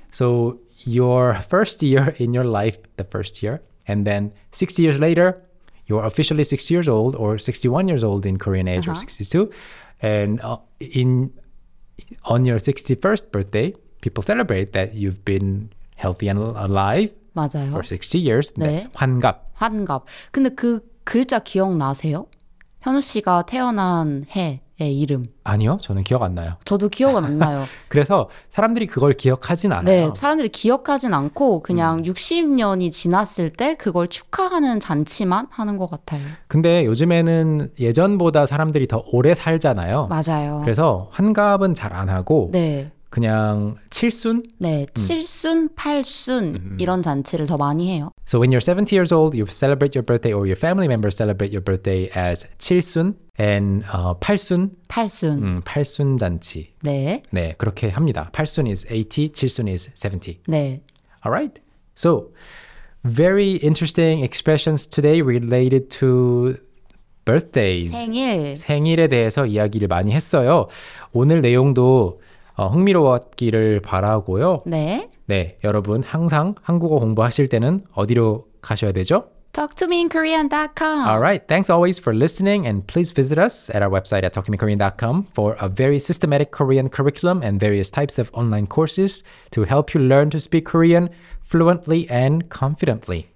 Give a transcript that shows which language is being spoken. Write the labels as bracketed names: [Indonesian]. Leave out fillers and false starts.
[English] So your first year in your life, the first year, and then 60 years later, you're officially 6 years old or 61 years old in Korean age, uh-huh. or 62. And on your 61st birthday, people celebrate that you've been healthy and alive [Korean] 맞아요. [English] For 60 years. [Korean] 네. [English] That's 환갑. [Korean] 환갑. 근데 그 글자 기억나세요? 현우 씨가 태어난 해의 이름. 아니요. 저는 기억 안 나요. 저도 기억 안 나요. 그래서 사람들이 그걸 기억하진 않아요. 네. 사람들이 기억하진 않고 그냥 60년이 지났을 때 그걸 축하하는 잔치만 하는 것 같아요. 근데 요즘에는 예전보다 사람들이 더 오래 살잖아요. 맞아요. 그래서 환갑은 잘 안 하고 네. 그냥 칠순? 네. 칠순, 팔순 이런 잔치를 더 많이 해요. [English] So when you're 70 years old, you celebrate your birthday or your family members celebrate your birthday as 칠순 and 팔순? [Korean] 팔순. 팔순 잔치. 네. 네, 그렇게 합니다. 팔순 [English] is 80, [Korean] 칠순 [English] is 70. [Korean] 네. [English] All right. So very interesting expressions today related to birthdays. [Korean] 생일. 생일에 대해서 이야기를 많이 했어요. 오늘 내용도 흥미로웠기를 바라고요. 네. 네, 여러분 항상 한국어 공부하실 때는 어디로 가셔야 되죠? [English] TalkToMeInKorean.com. All right. Thanks always for listening, and please visit us at our website at TalkToMeKorean.com for a very systematic Korean curriculum and various types of online courses to help you learn to speak Korean fluently and confidently.